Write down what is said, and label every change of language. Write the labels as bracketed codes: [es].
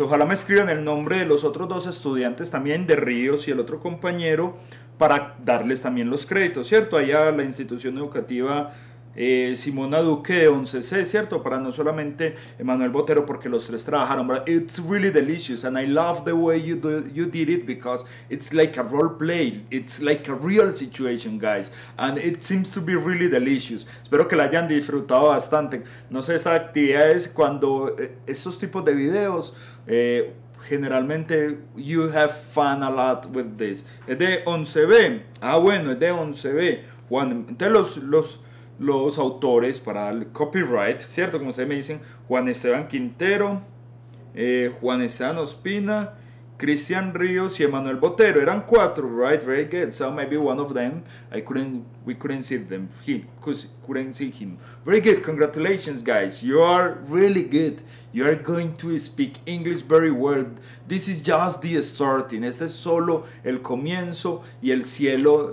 [es] Ojalá me escriban el nombre de los otros dos estudiantes también, de Ríos y el otro compañero, para darles también los créditos, ¿cierto? Allá la institución educativa Simona Duque de 11C, ¿cierto? Para no solamente Emanuel Botero, porque los tres trabajaron. [en] But it's really delicious and I love the way you did it because it's like a role play. It's like a real situation, guys. And it seems to be really delicious. [es] Espero que la hayan disfrutado bastante. No sé, esta actividad es cuando estos tipos de videos... generalmente, [en] you have fun a lot with this. [es] Es de 11B. Ah, bueno, es de 11B. Juan, entonces los autores para el copyright, ¿cierto? Como ustedes me dicen, Juan Esteban Quintero, Juan Esteban Ospina, Cristian Ríos y Emanuel Botero. Eran cuatro, [en] right? Very good. So maybe one of them, we couldn't see him. Very good. Congratulations, guys. You are really good. You are going to speak English very well. This is just the starting. [es] Este es solo el comienzo y el cielo.